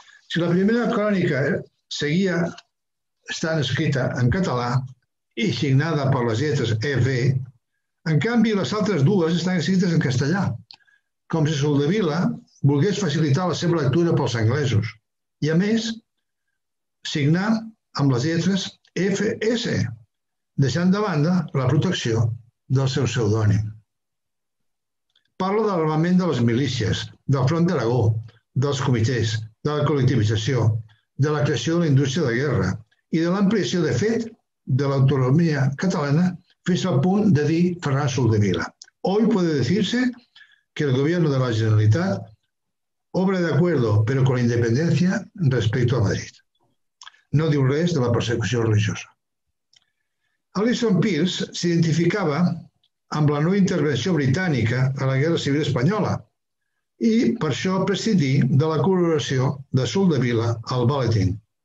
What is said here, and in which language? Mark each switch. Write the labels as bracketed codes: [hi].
[ca] Si la primera crònica seguia estant escrita en català i signada per les lletres EV, en canvi les altres 2 estan escrites en castellà, com si Soldevila volgués facilitar la seva lectura pels anglesos i, a més, signar amb les lletres FS, deixant de banda la protecció del seu pseudònim. Parla de l'armament de les milícies, del front d'Aragó, dels comitès, de la col·lectivització, de la creació de la indústria de guerra i de l'ampliació, de fet, de l'autonomia catalana fins al punt de dir Ferran Soldevila. [es] Hoy puede decirse que el gobierno de la Generalitat obra de acuerdo, pero con independencia, respecto a Madrid. [ca] No diu res de la persecució religiosa. Alison Pearce s'identificava amb la nova intervenció britànica a la Guerra Civil Espanyola i per això prescindí de la col·laboració de Soldevila al Bulletin.